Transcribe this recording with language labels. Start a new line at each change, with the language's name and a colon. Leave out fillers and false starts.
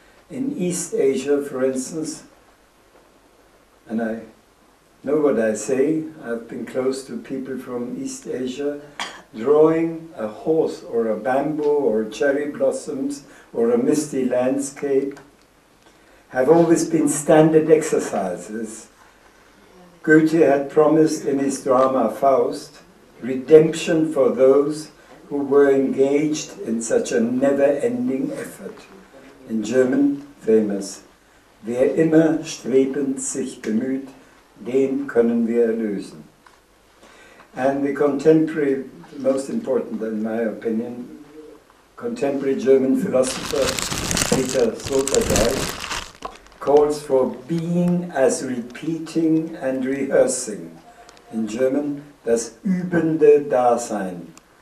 English: In East Asia, for instance, and I know what I say, I've been close to people from East Asia, drawing a horse or a bamboo or cherry blossoms or a misty landscape have always been standard exercises. Goethe had promised in his drama Faust redemption for those who were engaged in such a never-ending effort. In German, famous,
German: wer immer strebend sich bemüht, den können wir erlösen.
English: And the contemporary, most important in my opinion, contemporary German philosopher Peter Sloterdijk calls for being as repeating and rehearsing. In German,
German: das übende Dasein.